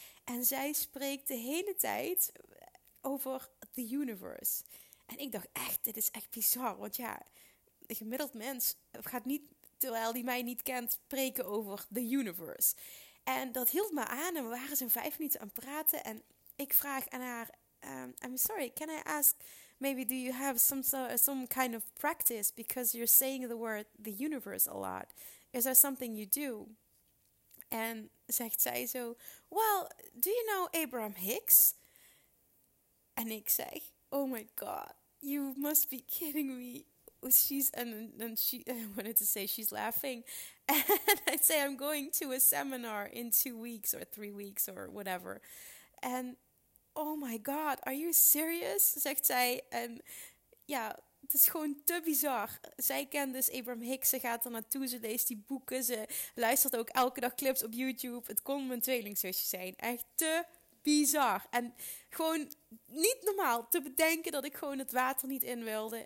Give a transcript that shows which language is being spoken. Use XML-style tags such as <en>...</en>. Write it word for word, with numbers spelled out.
<nl>En zij spreekt de hele tijd over the universe. En ik dacht echt, dit is echt bizar. Want ja, een gemiddeld mens gaat niet, terwijl die mij niet kent, preken over the universe. En dat hield me aan en we waren zo'n vijf minuten aan het praten. En ik vraag aan haar,</nl> <en>um, I'm sorry, can I ask, maybe do you have some, some kind of practice? Because you're saying the word the universe a lot. Is there something you do?</en> <nl>En zegt zij zo,</nl> <en>well, do you know Abraham Hicks?</en> <nl>En ik zeg,</nl> <en>oh my god, you must be kidding me. She's and and she I wanted to say she's laughing, and I'd say I'm going to a seminar in two weeks or three weeks or whatever, and oh my god, are you serious?</en> <nl>Zegt zij. En ja, het is gewoon te bizar. Zij kent dus Abraham Hicks, ze gaat er naartoe, ze leest die boeken, ze luistert ook elke dag clips op YouTube. Het kon mijn tweelingzusje zijn, echt te bizar. En gewoon niet normaal te bedenken dat ik gewoon het water niet in wilde.</nl>